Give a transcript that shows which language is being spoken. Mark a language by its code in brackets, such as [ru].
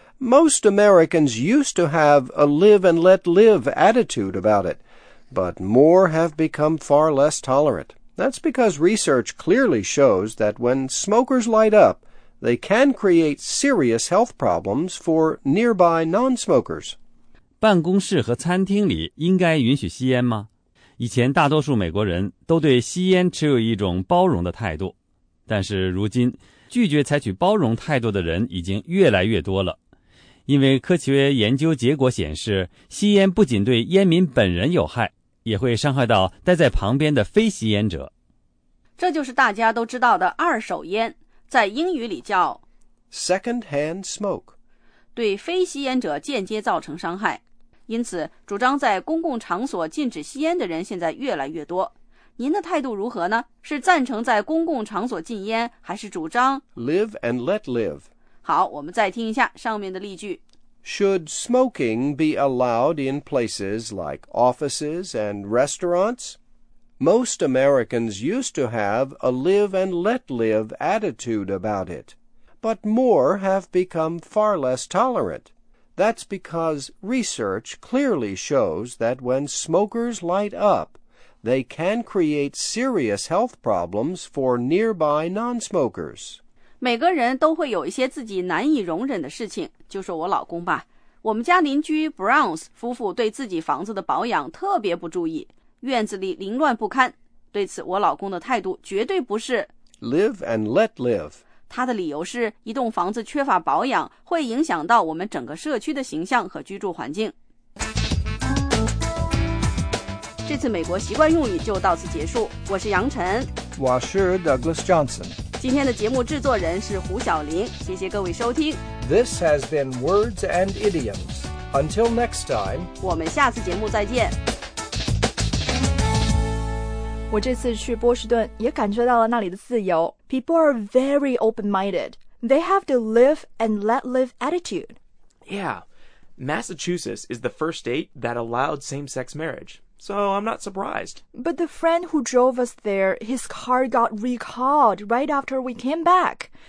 [en] Most Americans used to have a live and let live attitude about it, but more have become far less tolerant. That's because research clearly shows that when smokers light up, they can create serious health problems for nearby non-smokers. [zh] 办公室和餐厅里应该允许吸烟吗？以前大多数美国人都对吸烟持有一种包容的态度。但是如今，拒绝采取包容态度的人已经越来越多了。因为科学研究结果显示，吸烟不仅对烟民本人有害，也会伤害到待在旁边的非吸烟者。这就是大家都知道的二手烟，在英语里叫 [en] Secondhand smoke， [zh] 对非吸烟者间接造成伤害。因此，主张在公共场所禁止吸烟的人现在越来越多。您的态度如何呢？是赞成在公共场所禁烟，还是主张 [en] Live and let live？ [zh] 好，我们再听一下上面的例句。 [en] Should smoking be allowed in places like offices and restaurants? Most Americans used to have a live and let live attitude about it, but more have become far less tolerant. That's because research clearly shows that when smokers light up, they can create serious health problems for nearby non-smokers. [zh] 每个人都会有一些自己难以容忍的事情，就说我老公吧。我们家邻居 Browns 夫妇对自己房子的保养特别不注意，院子里凌乱不堪。对此，我老公的态度绝对不是 [en] Live and let live。 [zh] 他的理由是，一栋房子缺乏保养，会影响到我们整个社区的形象和居住环境。这次美国习惯用语就到此结束，我是杨晨，我是 Douglas Johnson。今天的节目制作人是胡晓玲，谢谢各位收听。 [en] This has been Words and Idioms. Until next time. [zh] 我们下次节目再见。我这次去波士顿也感受到了那里的自由。 [en] People are very open-minded. They have the live and let live attitude. Yeah, Massachusetts is the first state that allowed same-sex marriage. So I'm not surprised. But the friend who drove us there, his car got recalled right after we came back.